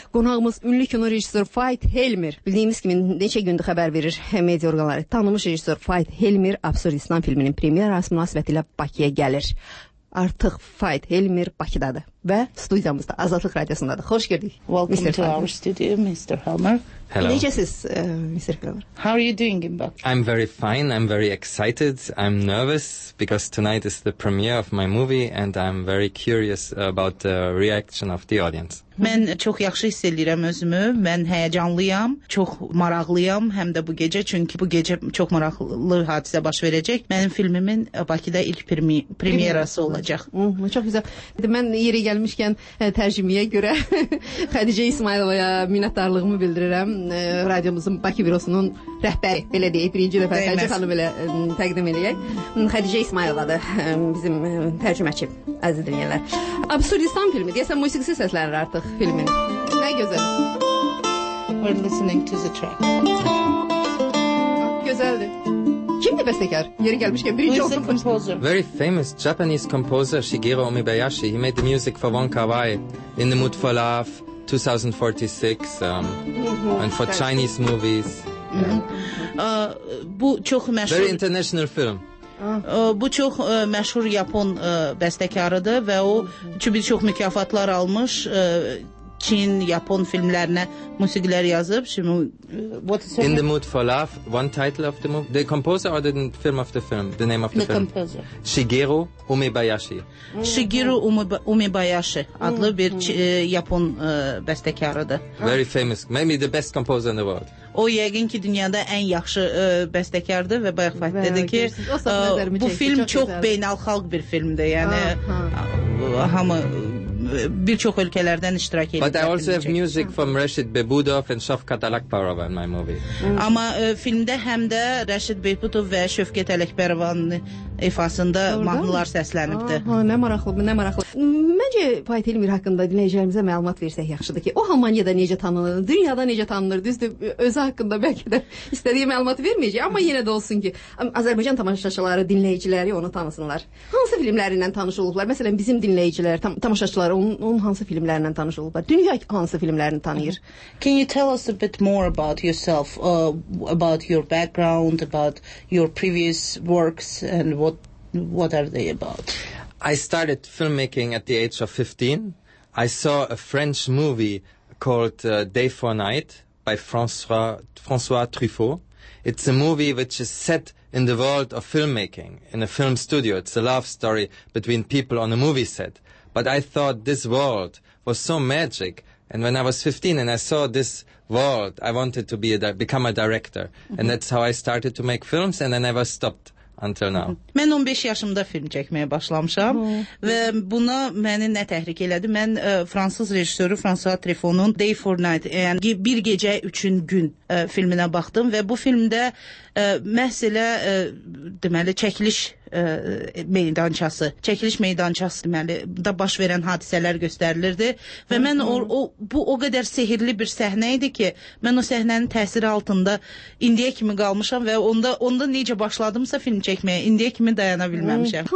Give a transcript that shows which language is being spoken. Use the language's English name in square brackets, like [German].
[Azerbaijani] Qonağımız ünlü kino rejissor Fahid Helmir. Bildiyimiz kimi neçə gündür xəbər verir media orqanları. Tanımış rejissor Fahid Helmir Absurdistan filminin premierası münasibətilə Bakıya gəlir. Artıq Fahid Helmir Bakıdadır və studiyamızda Azadlıq Radiosundadır. Xoş gəldik. [English] Welcome Mr. to Fahid. Our studio, Mr. Helmir. Hello. [Azerbaijani] Necəsiz, [English] Mr. Helmir? How are you doing in Bakı? I'm very fine, I'm very excited, I'm nervous because tonight is the premiere of my movie and I'm very curious about the reaction of the audience. [Azerbaijani] Mən çox yaxşı hiss edirəm özümü. Mən həyəcanlıyam, çox maraqlıyam həm də bu gecə, çünki bu gecə çox maraqlı hadisə baş verəcək. Mənim filmimin Bakıda ilk premierası olacaq. Çox güzel. Mən yeri gəlmişkən tərcüməyə görə Xədicə İsmailovaya minnətdarlığımı bildirirəm. Radiomuzun Bakı bürosunun rəhbəri, belə deyək, birinci dəfə Xədicə xanım belə təqdim eləyək. Xədicə İsmailovadır bizim tərcüməçi, əziz dinləyənlər. Absurdistan filmi, deyəsən musiqisi səslənir artıq. Filmini. Nə gözəl. [English] We're listening to the track. [Azerbaijani] Gözəldir. Kimdir bəstəkar? Yeri gəlmişkən birinci oldu. [English] Who is the composer? Very famous Japanese composer Shigeru Omibayashi. He made the music for Wong Kar Wai, In the Mood for Love, 2046, and for Chinese movies. [Azerbaijani] Bu çox məşhur. [English] Very international film. [Azerbaijani] Bu çox məşhur Yapon bəstəkarıdır və o bir çox mükafatlar almış [Turkish] Çin, Japon filmlerine müzikler yazıp şimdi [English] what is In the Mood for Love, one title of the movie. The composer or the film of the film? The name of the film? The composer. Shigeru Umebayashi. [Azerbaijani] Shigeru Umebayashi adlı bir Japon bestekarıdır. [English] Very famous. Maybe the best composer in the world. [Azerbaijani] O yəqin ki dünyada ən yaxşı bəstəkardır və bayaq fayt dedi ki, bu film çox beynəlxalq bir filmdir. Yəni hamı bir çox ölkələrdən iştirak edir. [English] But I also have music from Rashid Behbudov and Şəfqət Ələkbərov in my movie. [Azerbaijani] Amma filmdə həm də Rashid Behbudov və Şəfqət Ələkbərovun ifasında mahnılar səslənibdir. Nə maraqlı, nə maraqlı. Məncə Fahit Elmir haqqında dinləyicilərimizə məlumat versək yaxşıdır ki, o Almaniyada necə tanınır, dünyada necə tanınır, düzdür, özü haqqında bəlkə də istədiyi məlumatı verməyəcək, amma yenə də olsun ki, Azərbaycan tamaşaçıları, dinləyiciləri onu tanısınlar. Hansı filmlərindən tanış olublar? Məsələn, bizim dinləyicilər, tamaşaçılar onun hansı filmlərindən tanış olublar? Dünya hansı filmlərini tanıyır? [English] Can you tell us a bit more about yourself, about your background, about your previous works and what are they about? I started filmmaking at the age of 15. I saw a French movie called Day for Night by François Truffaut. It's a movie which is set in the world of filmmaking, in a film studio. It's a love story between people on a movie set. But I thought this world was so magic. And when I was 15 and I saw this world, I wanted to become a director. Mm-hmm. And that's how I started to make films, and I never stopped. Until now. [Azerbaijani] Mən 15 yaşımda film çəkməyə başlamışam və buna məni nə təhrik elədi? Mən Fransız rejissoru François Truffaut'un Day for Night, yəni bir gecə üçün gün filminə baxdım və bu filmdə məsələ deməli çəkiliş meydançası, çəkiliş meydançası deməli da baş verən hadisələr göstərilirdi və mən bu o qədər sehirli bir səhnə idi ki, mən o səhnənin təsiri altında indiyə kimi qalmışam və onda necə başladımsa film çəkməyə indiyə kimi dayana bilməmişəm.